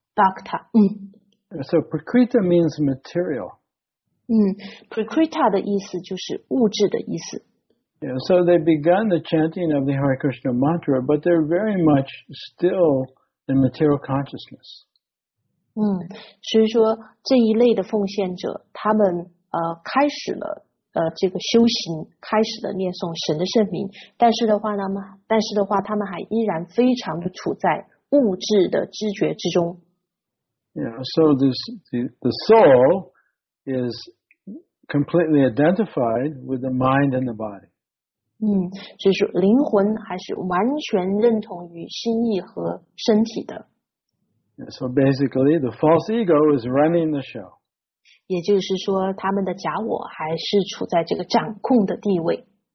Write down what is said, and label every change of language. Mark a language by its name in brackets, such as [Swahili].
[English] Bhakta. So Prakrita means material. [Chinese] Prakrita 的意思就是物质的意思。 [English] Yeah, so they began the chanting of the Hare Krishna mantra, but they're very much still in material consciousness. [Chinese] 所以说这一类的奉献者，他们开始了这个修行，开始了念诵神的圣名，但是的话，他们还依然非常的处在物质的知觉之中。 [English] Yeah, so the soul is completely identified with the mind and the body. [Chinese] 所以说灵魂还是完全认同于心意和身体的。 [English] So basically, the false ego is running the show. [Chinese] 也就是说，他们的假我还是处在这个掌控的地位。